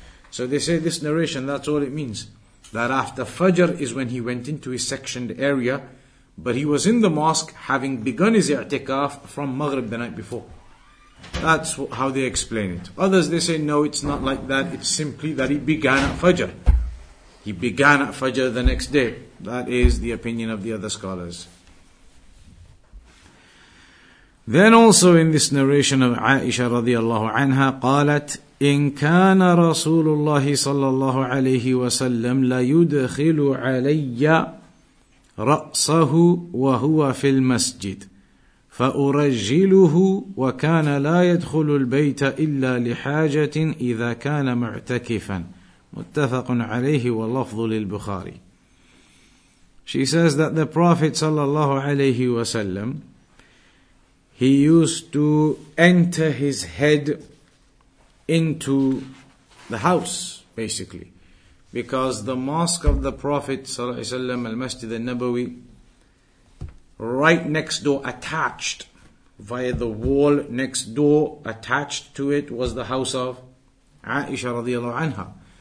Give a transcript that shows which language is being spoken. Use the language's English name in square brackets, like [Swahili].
[English] So they say this narration, that's all it means. That after Fajr is when he went into his sectioned area, but he was in the mosque having begun his i'tikaf from Maghrib the night before. That's how they explain it. Others, they say, no, it's not like that. It's simply that he began at Fajr. He began at Fajr the next day. That is the opinion of the other scholars. Then also in this narration of Aisha radiallahu anha, [Arabic] قالت, إن كان رسول الله صلى الله عليه وسلم ليدخل علي رأسه وهو في المسجد فأرجله وكان لا يدخل البيت إلا لحاجة إذا كان معتكفا متفق عليه واللفظ للبخاري. [English] She says that the Prophet صلى الله عليه وسلم, he used to enter his head into the house, basically, because the mosque of the Prophet صلى الله عليه وسلم, Al-Masjid al-Nabawi, right next door, attached via the wall next door, attached to it was the house of Aisha radiallahu anha.